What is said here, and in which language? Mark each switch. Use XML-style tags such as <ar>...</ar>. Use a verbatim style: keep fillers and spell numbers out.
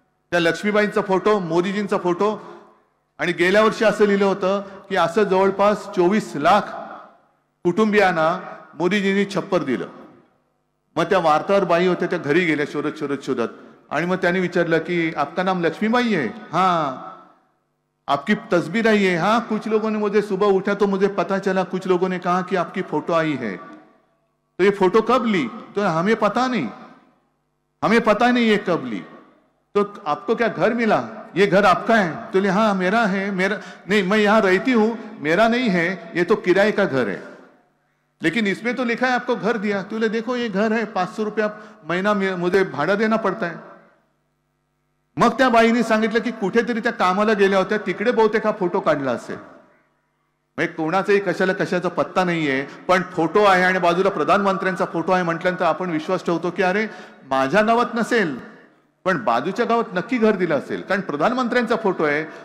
<mr>त्या लक्ष्मीबाईंचा photo, मोदीजींचा photo. आणि गेल्या वर्षी असं लिहिलं होतं की असं जवळपास चोवीस लाख कुटुंबियांना मोदीजींनी छप्पर दिलं. मग त्या वार्तावर बाई होत्या, त्या घरी गेल्या शोधत शोधत शोधत. आणि मग त्यांनी विचारलं की</mr> <hi>आपका नाम लक्ष्मीबाई है? हाँ. आपकी तस्वीर आई है? हाँ. कुछ लोगों ने, मुझे सुबह उठा तो मुझे पता चला, कुछ लोगों ने कहा कि आपकी फोटो आई है. तो ये फोटो कब ली? तो हमें पता नहीं, हमें पता नहीं ये कब ली. तो आपको क्या घर मिला? ये घर आपका है? तो बोले हाँ मेरा है. मेरा नहीं, मैं यहाँ रहती हूँ, मेरा नहीं है, ये तो किराए का घर है, लेकिन इसमें तो लिखा है आपको घर दिया. तो बोले देखो ये घर है, पाँच सौ रुपया महीना मुझे भाड़ा देना पड़ता है.</hi> <mr>मग त्या बाईने सांगितलं की कुठेतरी त्या कामाला गेल्या होत्या, तिकडे बहुतेक हा फोटो काढला असेल. म्हणजे कोणाचाही कशाला कशाचा पत्ता नाहीये, पण फोटो आहे आणि बाजूला प्रधानमंत्र्यांचा फोटो आहे म्हटल्यानंतर आपण विश्वास ठेवतो की अरे माझ्या गावात नसेल पण बाजूच्या गावात नक्की घर दिलं असेल, कारण प्रधानमंत्र्यांचा फोटो आहे.</mr>